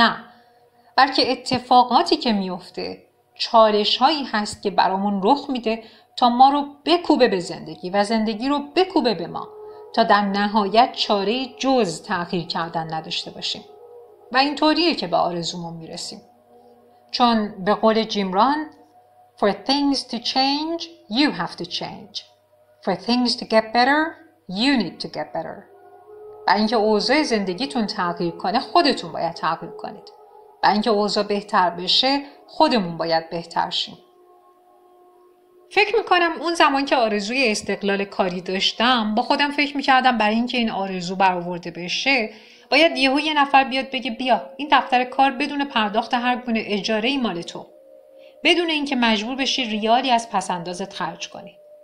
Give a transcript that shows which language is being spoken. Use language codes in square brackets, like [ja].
[fa] نه، بلکه اتفاقاتی که میفته چالش هایی هست که برامون رخ میده تا ما رو بکوبه به زندگی و زندگی رو بکوبه به ما، تا در نهایت چاره جز تغییر کردن نداشته باشیم. و این طوریه که به آرزومون میرسیم. [en] چون به قول Jim Rohn, For things to change, you have to change. For things to get better, you need to get better. [fa] و اینکه اوضاع زندگیتون تغییر کنه، خودتون باید تغییر کنید. و اینکه اوضاع بهتر بشه، خودمون باید بهتر شیم. فکر میکنم اون زمان که آرزوی استقلال کاری داشتم، با خودم فکر میکردم برای اینکه این آرزو برآورده بشه، باید یهو یه نفر بیاد بگه بیا این دفتر کار بدون پرداخت هر گونه اجاره ای مال تو، بدون اینکه مجبور بشی ریالی از پس اندازت خرج کنی.